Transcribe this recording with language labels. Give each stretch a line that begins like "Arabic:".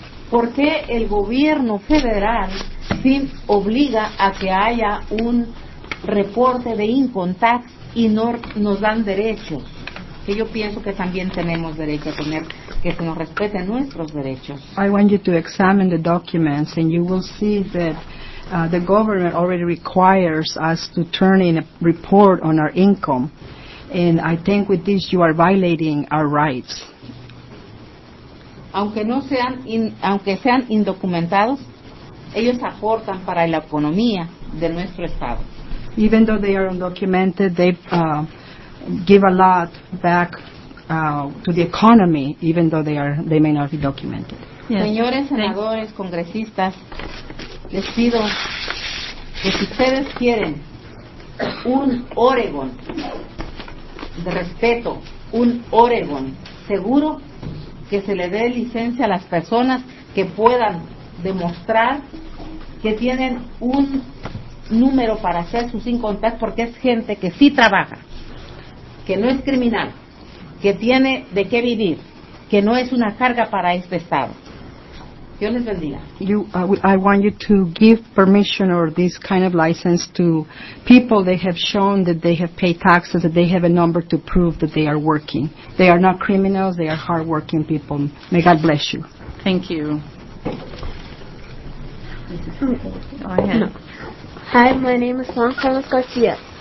Spanish: ¿Por qué el gobierno federal sí obliga a que haya un reporte de income tax y no nos dan derechos? Que yo pienso que también tenemos derecho a tener que se nos respeten nuestros derechos.
English: I want you to examine the documents and you will see that the government already requires us to turn in a report on our income. And I think with this you are violating our rights.
Spanish: aunque no sean aunque sean indocumentados, ellos aportan para la economía de nuestro estado.
English: Even though they are undocumented, they give a lot back to the economy, even though they may not be documented. Yes.
Spanish: Señores senadores, congresistas, les pido que si ustedes quieren un Oregon de respeto, un Oregon seguro, que se le dé licencia a las personas que puedan demostrar que tienen un número para hacer sus income tax, porque es gente que sí trabaja, que no es criminal, que tiene de qué vivir, que no es una carga para este estado. Dios les bendiga.
English: I want you to give permission or this kind of license to people that have shown that they have paid taxes, that they have a number to prove that they are working. They are not criminals, they are hardworking people. May God bless you. Thank you. Hi, my name is Juan Carlos Garcia.